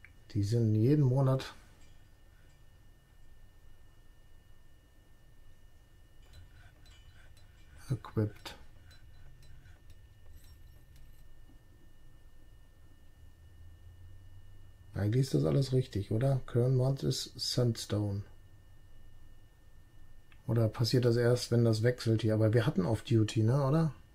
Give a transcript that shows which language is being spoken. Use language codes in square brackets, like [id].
[de] Die sind jeden Monat. [en] Equipped. [de] Eigentlich ist das alles richtig, oder? [en] Current month is Sandstone. [de] Oder passiert das erst, wenn das wechselt hier? Aber wir hatten Off-Duty, ne, oder?